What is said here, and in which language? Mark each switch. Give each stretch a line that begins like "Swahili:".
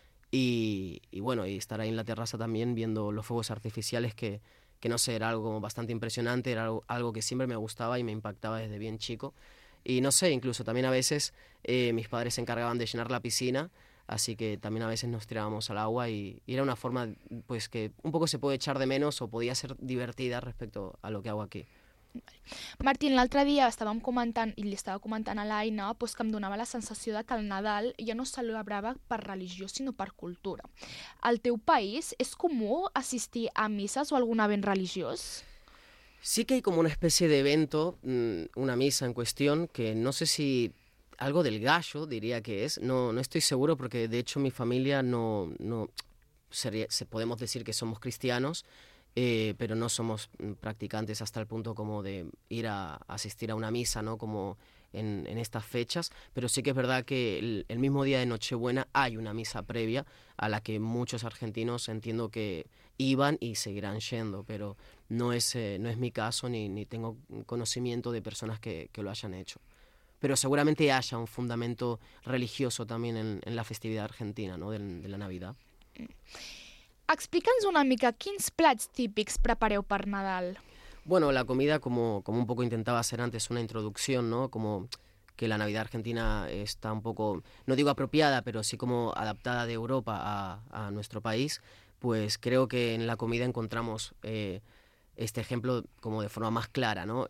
Spanish: Y bueno, y estar ahí en la terraza también viendo los fuegos artificiales que no sé, era algo bastante impresionante, era algo que siempre me gustaba y me impactaba desde bien chico. Y no sé, incluso también a veces mis padres se encargaban de llenar la piscina, así que también a veces nos tirábamos al agua y era una forma pues que un poco se puede echar de menos o podía ser divertida respecto a lo que hago aquí.
Catalan: Martín, l'altre dia estàvem comentant i li estava comentant a l'Aina pues, que em donava la sensació de que el Nadal ja no celebrava per religió sinó per cultura. Al teu país és comú assistir a misses o algun event religiós? Sí que hi ha com una espècie d'evento, una missa en qüestió, que no sé si
Spanish: algo del gallo
Catalan: diria que és,
Spanish: no estoy seguro porque de hecho mi familia no sería, podemos decir que somos cristianos. Pero no somos practicantes hasta el punto como de ir a asistir a una misa, ¿no? Como en estas fechas, pero sí que es verdad que el mismo día de Nochebuena hay una misa previa a la que muchos argentinos entiendo que iban y seguirán yendo, pero no es mi caso ni tengo conocimiento de personas que lo hayan hecho. Pero seguramente haya un fundamento religioso también en la festividad argentina, ¿no? De la Navidad.
Catalan: Explica'ns una mica, quins plats típics prepareu per Nadal?
Spanish: Bueno, la comida, como un poco intentaba hacer antes una introducción, ¿no? Como que la Navidad argentina está un poco, no digo apropiada, pero sí como adaptada de Europa a nuestro país, pues creo que en la comida encontramos este ejemplo como de forma más clara, ¿no?